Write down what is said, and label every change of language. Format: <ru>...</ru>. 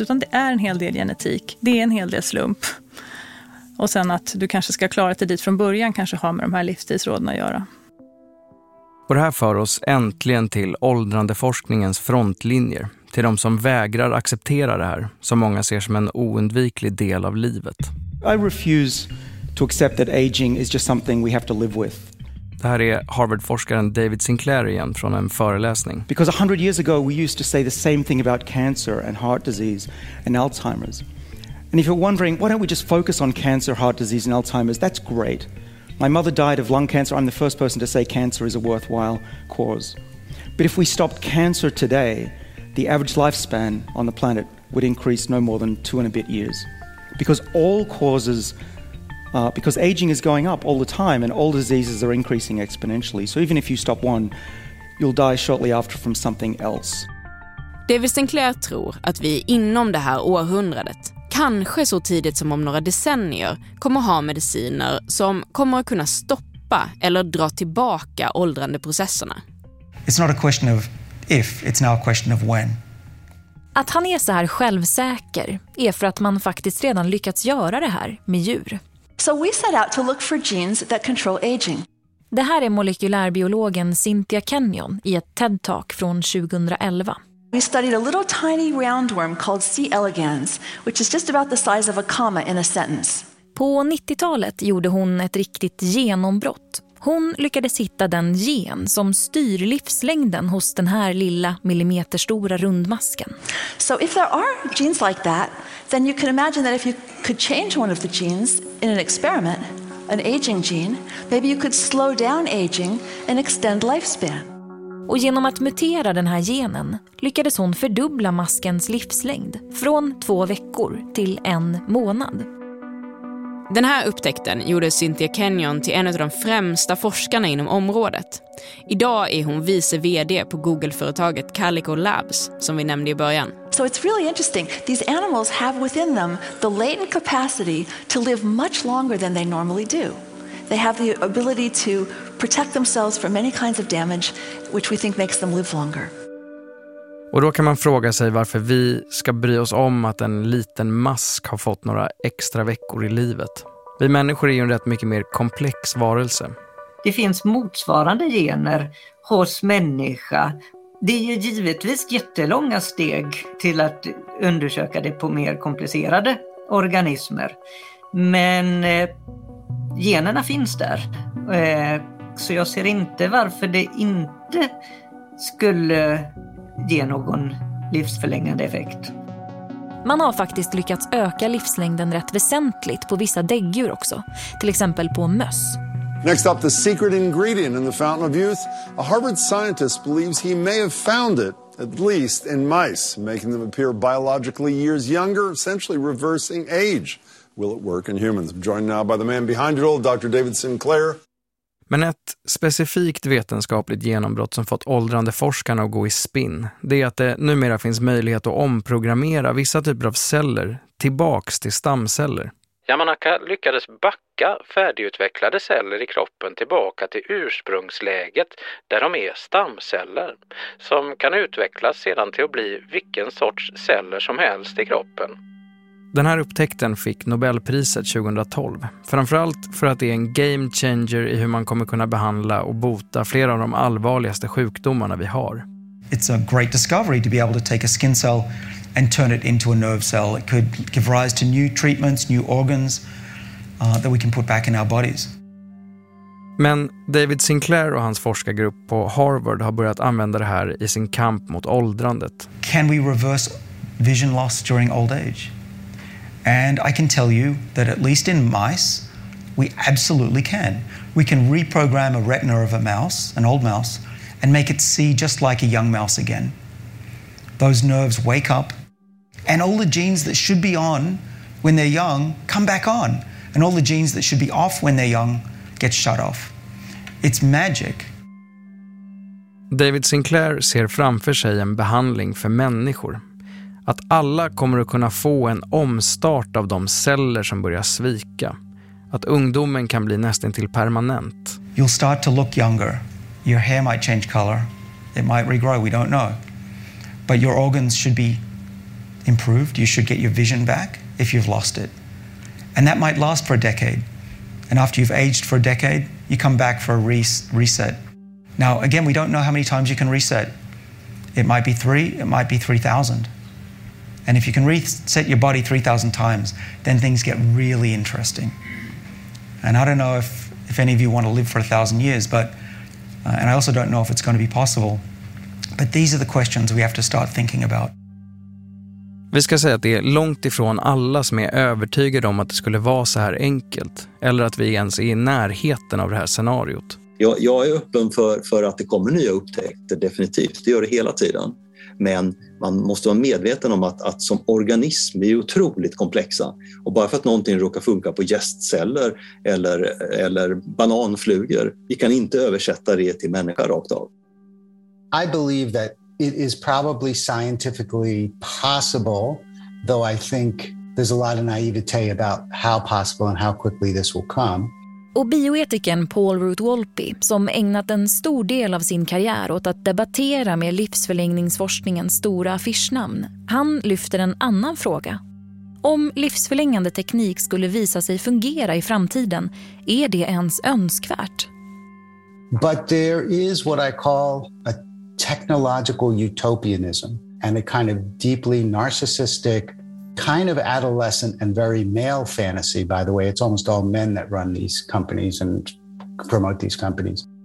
<sv>Utan det är en hel del genetik. Det är en hel del slump. Och sen att du kanske ska klara dig dit från början kanske har med de här livstidsråden att göra. Och det här för oss äntligen till åldrande forskningens frontlinjer. Till de som vägrar acceptera det här, som många ser som en oundviklig del av livet.</sv> <en>I refuse to accept that aging is just something we have to live with.</en> <sv>Det här är Harvard-forskaren David Sinclair igen från en föreläsning.</sv> <en>Because 100 years ago we used to say the same thing about cancer and heart disease and Alzheimer's. And if you're wondering, why don't we just focus on cancer, heart disease and Alzheimer's? That's great. My mother died of lung cancer. I'm the first person to say cancer is a worthwhile cause. But if we stopped cancer today, the average lifespan on the planet would increase no more than 2 and a bit years. Because all causes because aging is going up all the time and all diseases are increasing exponentially. So even if you stop one, you'll die shortly after from something else.</en> <sv>David Sinclair tror att vi inom det här århundradet, kanske så tidigt som om några decennier, kommer ha mediciner som kommer att kunna stoppa eller dra tillbaka åldrande processerna.</sv> <en>It's not a question of if, it's now a question of when.</en> <sv>Att han är så här självsäker är för att man faktiskt redan lyckats göra det här med djur.</sv> <en>So we set out to look for genes that control aging.</en> <sv>Det här är molekylärbiologen Cynthia Kenyon i ett TED-talk från 2011.</sv> <en>We studied a little tiny roundworm called C. elegans, which is just about the size of a comma in a sentence.</en> <sv>På 90-talet gjorde hon ett riktigt genombrott. Hon lyckades hitta den gen som styr livslängden hos den här lilla millimeterstora rundmasken.</sv> <en>So if there are genes like that, then you can imagine that if you could change one of the genes in an experiment, an aging gene, maybe you could slow down aging and extend lifespan.</en> <sv>Och genom att mutera den här genen lyckades hon fördubbla maskens livslängd från 2 veckor till 1 månad. Den här upptäckten gjorde Cynthia Kenyon till en av de främsta forskarna inom området. Idag är hon vice vd på Google-företaget Calico Labs, som vi nämnde i början.</sv> <en>So it's really interesting. These animals have within them the latent capacity to live much longer than they normally do. They have the ability to protect themselves from many kinds of damage, which we think makes them live longer.</en> <sv>Och då kan man fråga sig varför vi ska bry oss om att en liten mask har fått några extra veckor i livet. Vi människor är ju en rätt mycket mer komplex varelse. Det finns motsvarande gener hos människa. Det är ju givetvis jättelånga steg till att undersöka det på mer komplicerade organismer. Men generna finns där. Så jag ser inte varför det inte skulle ge någon livsförlängande effekt. Man har faktiskt lyckats öka livslängden rätt väsentligt på vissa däggdjur också, till exempel på möss.</sv> <en>Next up, the secret ingredient in the fountain of youth. A Harvard scientist believes he may have found it, at least in mice, making them appear biologically years younger, essentially reversing age. Will it work in humans? I'm joined now by the man behind it all, Dr. David Sinclair.</en> <sv>Men ett specifikt vetenskapligt genombrott som fått åldrande forskarna att gå i spinn, det är att det numera finns möjlighet att omprogrammera vissa typer av celler tillbaks till stamceller. Yamanaka lyckades backa färdigutvecklade celler i kroppen tillbaka till ursprungsläget där de är stamceller, som kan utvecklas sedan till att bli vilken sorts celler som helst i kroppen. Den här upptäckten fick Nobelpriset 2012, framförallt för att det är en game changer i hur man kommer kunna behandla och bota flera av de allvarligaste sjukdomarna vi har.</sv> <en>It's a great discovery to be able to take a skin cell and turn it into a nerve cell. It could give rise to new treatments, new organs that we can put back in our bodies.</en> <sv>Men David Sinclair och hans forskargrupp på Harvard har börjat använda det här i sin kamp mot åldrandet.</sv> <en>Can we reverse vision loss during old age? And I can tell you that at least in mice, we absolutely can. We can reprogram a retina of a mouse, an old mouse, and make it see just like a young mouse again. Those nerves wake up, and all the genes that should be on when they're young come back on. And all the genes that should be off when they're young get shut off. It's magic.</en> <sv>David Sinclair ser framför sig en behandling för människor. Att alla kommer att kunna få en omstart av de celler som börjar svika. Att ungdomen kan bli nästan till permanent.</sv> <en>You'll start to look younger. Your hair might change color. It might regrow, we don't know. But your organs should be improved. You should get your vision back if you've lost it. And that might last for a decade. And after you've aged for a decade, you come back for a reset. Now, again, we don't know how many times you can reset. It might be 3, it might be 3,000. And if you can reset your body 3,000 times, then things get really interesting. And I don't know if any of you want to live for 1,000 years, but and I also don't know if it's going to be possible. But these are the questions we have to start thinking about.</en> <sv>Vi ska säga att det är långt ifrån alla som är övertygade om att det skulle vara så här enkelt. Eller att vi ens är i närheten av det här scenariot. Jag är öppen för att det kommer nya upptäckter, definitivt. Det gör det hela tiden. Men man måste vara medveten om att som organism är otroligt komplexa. Och bara för att någonting råkar funka på gästceller eller bananflugor, vi kan inte översätta det till människa rakt av.</sv> <en>I believe that it is probably scientifically possible, though I think there's a lot of naivete about how possible and how quickly this will come.</en> <sv>Och bioetiken Paul Root-Wolpe, som ägnat en stor del av sin karriär åt att debattera med livsförlängningsforskningens stora affischnamn, han lyfter en annan fråga. Om livsförlängande teknik skulle visa sig fungera i framtiden, är det ens önskvärt?</sv> <en>But there is what I call a technological utopianism and a kind of deeply narcissistic kind of adolescent and very male fantasy, by the way. It's almost all men that run these companies and promote these companies.</en>